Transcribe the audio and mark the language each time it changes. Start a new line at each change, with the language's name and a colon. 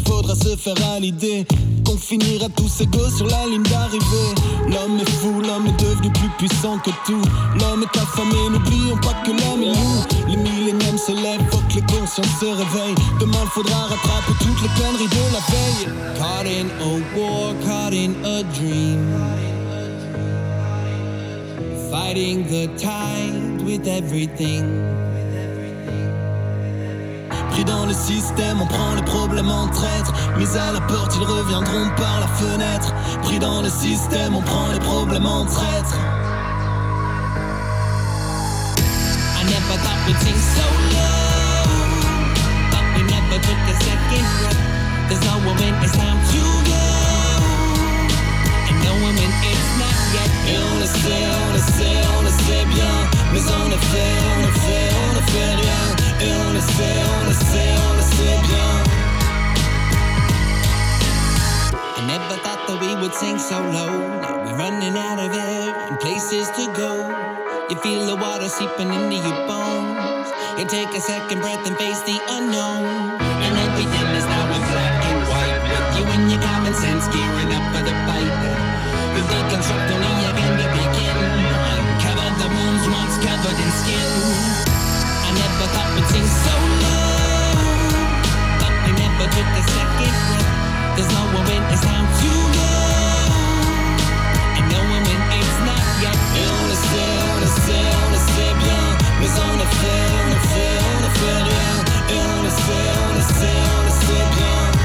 French: Faudra se faire à l'idée qu'on finira tous égaux sur la ligne d'arrivée. L'homme est fou, l'homme est devenu plus puissant que tout. L'homme est affamé, n'oublions pas que l'homme est loup. Les millénaires s'élèvent, faut que les consciences se réveillent. Demain, faudra rattraper toutes les conneries de la veille.
English: Caught in a war, caught in a dream. Fighting the tide with everything.
French: Pris dans le système, on prend les problèmes en traître. Mis à la porte, ils reviendront par la fenêtre. Pris dans le système, on prend les problèmes en traître.
English: I never thought we'd sing so low. But we never took a second breath. There's no woman, it's time to go. And no woman, it's not yet.
French: Et on le sait, on le sait, on le sait bien. Mais on le fait, on le fait, on ne fait rien. Et on le sait, on le sait, on le sait bien.
English: I never thought that we would sing so low. Now we're running out of air and places to go. You feel the water seeping into your bones. You take a second breath and face the unknown. And everything is now in black and white. With you and your common sense gearing up for the fight. You deconstruct only again to begin. Uncover the wounds once covered in skin. Never thought we'd sing so low. But we never took a second breath. There's no woman, it's time to go. And no woman, it's not yet.
French: Et on le sait, on le sait, on le sait bien. Mais on ne fait, on ne fait, on ne fait rien. Et on le sait, on le sait, on le sait bien.